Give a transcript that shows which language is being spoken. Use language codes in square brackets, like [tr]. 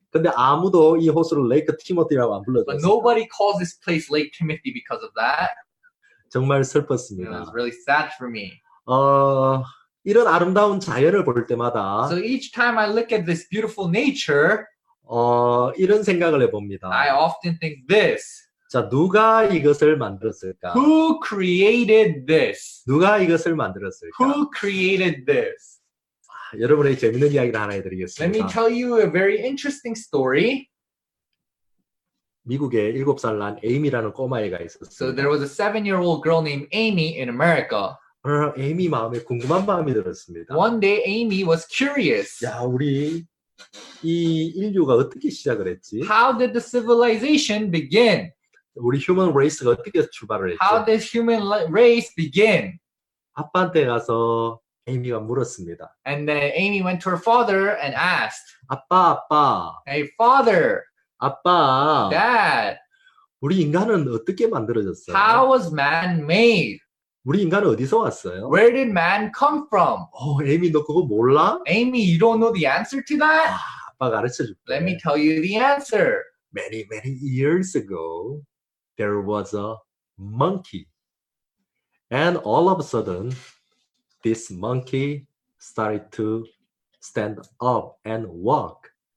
[ko] 근데 아무도 이 호수를 레이크 티모티라고 안 불렀어요. [en] Nobody calls this place Lake Timothy because of that. [ko] 정말 슬펐습니다. [en] It was really sad for me. [ko] 이런 아름다운 자연을 볼 때마다 [en] So each time I look at this beautiful nature, [ko] 이런 생각을 해 봅니다. [en] I often think this. [ko] 자, 누가 이것을 만들었을까? [en] Who created this? [ko] 누가 이것을 만들었을까? [en] Who created this? [ko] 여러분에게 재밌는 이야기를 하나 해드리겠습니다. [en] Let me tell you a very interesting story. [ko] 미국에 7살 난 에이미라는 꼬마애가 있었어요. [en] So there was a 7-year-old girl named Amy in America. [ko] 에이미 마음에 궁금한 마음이 들었습니다. [en] One day Amy was curious. [ko] 야, 우리 이 인류가 어떻게 시작을 했지? [en] How did the civilization begin? [ko] 우리 휴먼 레이스가 어떻게 출발을 했지? [en] How did human race begin? [ko] 아빠한테 가서 에이미가 물었습니다. [en] And then Amy went to her father and asked. [ko] 아빠, 아빠. [en] Hey, father. [ko] 아빠. [en] Dad. [ko] 우리 인간은 어떻게 만들어졌어요? [en] How was man made? [ko] 우리 인간은 어디서 왔어요? [en] Where did man come from? [ko] 어, 에이미 너 그거 몰라? [en] Amy, you don't know the answer to that? [ko] 아, 아빠 가르쳐 줄게. [en] Let me tell you the answer. Many, many years ago, there was a monkey. And all of a sudden, this monkey started to stand up and walk.